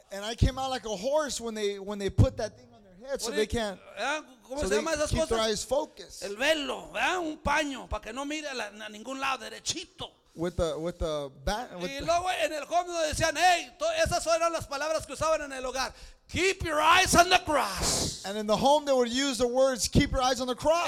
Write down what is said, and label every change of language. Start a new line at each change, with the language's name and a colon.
English: And I came out like a horse when they put that thing on their head so they can't.
Spanish: ¿Cómo se llama esas cosas?
English: Keep their eyes focused.
Spanish: El velo, ¿verdad? Un paño para que no mire a ningún lado derechito.
English: With the bat.
Spanish: Y luego en el home decían, hey, esas eran las palabras que usaban en el hogar.
English: Keep your eyes on the cross. And in the home they would use the words, keep your eyes on the cross.